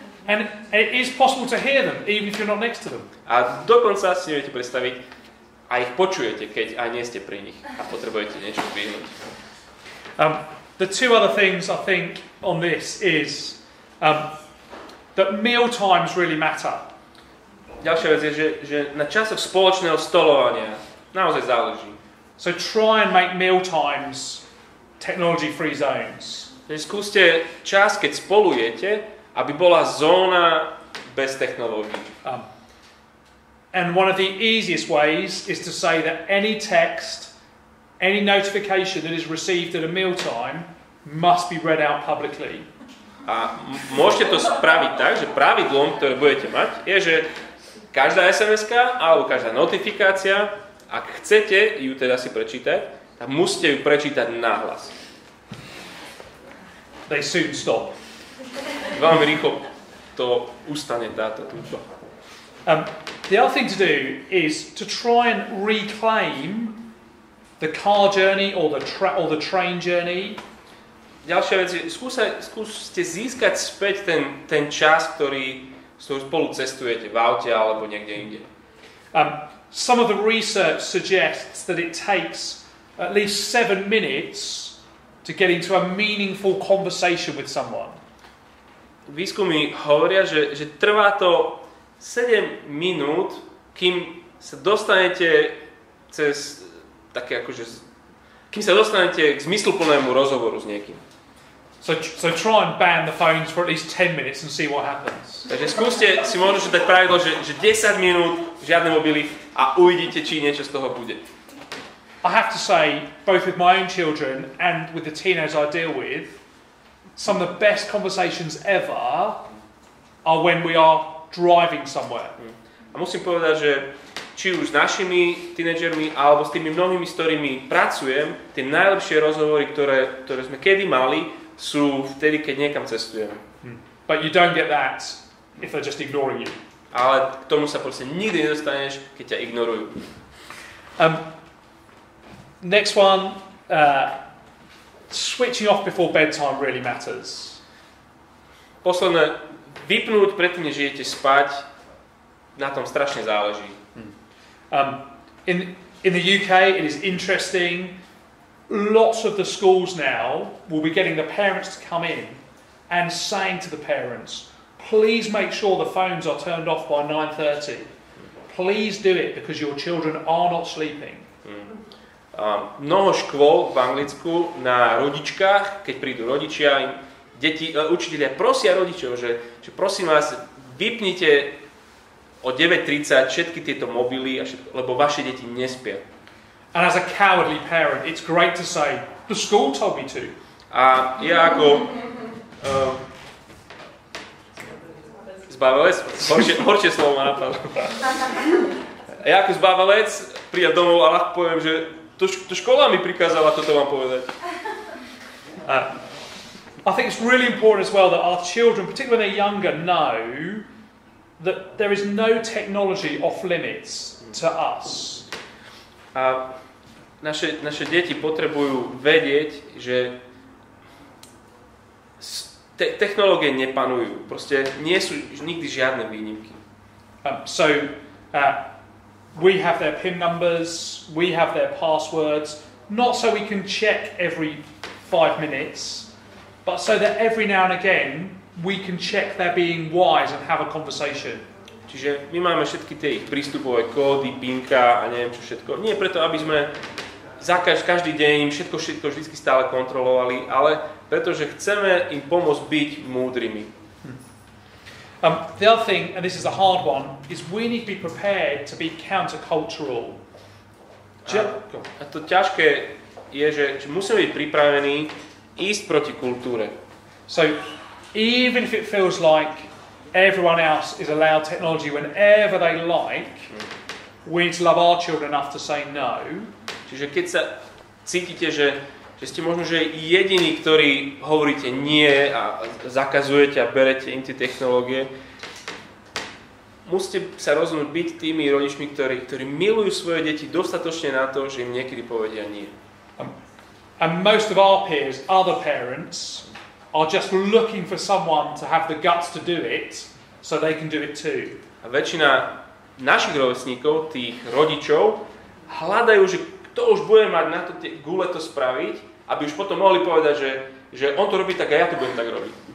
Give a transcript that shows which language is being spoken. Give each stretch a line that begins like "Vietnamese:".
English: And it is possible to hear them even if you're not next to them.
Slovak: A dokonca si neviete predstaviť, a ich počujete, keď aj nie ste pri nich a potrebujete niečo vyhnúť.
English: The two other things I think on this is that meal times really matter.
Slovak: Ďalšia vec je, že na časoch spoločného stolovania naozaj záleží.
English: So try and make meal times technology free zones.
Slovak: Skúste čas, keď spolu jete, aby bola zóna bez technológií.
English: And one of the easiest ways is to say that any text, any notification that is received at a meal time must be read out publicly.
Slovak: A môžete to spraviť tak, že pravidlom, ktoré budete mať, je, že každá SMS-ka alebo každá notifikácia, ak chcete ju teda si prečítať, tak musíte ju prečítať nahlas.
English: They soon stop.
Slovak: Veľmi rýchlo to ustane táto túto.
English: The other thing to do is to try and reclaim the car journey or the train journey.
Slovak: Ďalšia vec je, skúste získať späť ten čas, ktorý spolu cestujete v aute alebo niekde inde.
English: Some of the research suggests that it takes at least 7 minutes to get into a meaningful conversation with someone.
Slovak: Výskumy hovoria, že trvá to 7 minút, kým sa dostanete cez také akože kým sa dostanete k zmysluplnému rozhovoru s niekým.
English: So try and ban the phones for at least 10 minutes and see what happens.
Slovak: Takže skúste si možno že tak pravidlo, že 10 minút žiadne mobily a uvidíte, či niečo z toho bude.
English: I have to say, both with my own children and with the teenagers I deal with, some of the best conversations ever are when we are driving somewhere.
Slovak: A musím povedať, že či už s našimi tínedžermi alebo s tými mnohými, s ktorými pracujem, tie najlepšie rozhovory, ktoré sme kedy mali, sú vtedy, keď niekam cestujem.
English: But you don't get that if they're just ignoring you.
Slovak: Ale k tomu sa proste nikdy nedostaneš, keď ťa ignorujú.
English: Next one, switching off before bedtime really matters.
Slovak: Posledné, vypnúť predtým, než idete spať, na tom strašne záleží.
English: In the UK, it is interesting, lots of the schools now will be getting the parents to come in and saying to the parents, please make sure the phones are turned off by 9:30. Please do it because your children are not sleeping.
Slovak: Mnoho škôl v Anglicku na rodičkách, keď prídu rodičia, deti, učitelia prosia rodičov, že prosím vás, vypnite o 9:30 všetky tieto mobily, lebo vaše deti nespia.
English: And as a cowardly parent, it's great to say, the school told me to.
Slovak: A ja ako... zbavelec? Horšie slovo ma napadlo. Ja ako zbavelec prijať domov a ľahko poviem, že to škola mi prikázala toto vám povedať.
English: I think it's really important as well that our children, particularly when they're younger, know that there is no technology off limits to us.
Slovak: A naše deti potrebujú vedieť, že technológie nepanujú. Proste nie sú nikdy žiadne výnimky.
English: So we have their PIN numbers, we have their passwords, not so we can check every 5 minutes, but so that every now and again we can check they're being wise and have a conversation.
Slovak: Čiže my máme všetky tie ich prístupové kódy, pinka a neviem čo všetko. Nie preto, aby sme každý deň im všetko vždycky stále kontrolovali, ale pretože chceme im pomôcť byť múdrymi.
English: The other thing, and this is a hard one, is we need to be prepared to be countercultural.
Slovak: A to ťažké je, že musíme byť pripravení ísť proti kultúre.
English: So, even if it feels like everyone else is allowed technology whenever they like, we need to love our children enough to say no.
Slovak: Čiže keď sa cítite, že ste možno že jediní, ktorí hovoríte nie a zakazujete a berete im tie technológie, musíte sa rozhodnúť byť tými rodičmi, ktorí milujú svoje deti dostatočne na to, že im niekedy povedia nie.
English: And most of our peers, other parents, are just looking for someone to have the guts to do it, so they can do it too.
Slovak: A väčšina našich rovesníkov, tých rodičov, hľadajú, že kto už bude mať na to tie gule to spraviť, aby už potom mohli povedať, že on to robí tak a ja to budem tak robiť.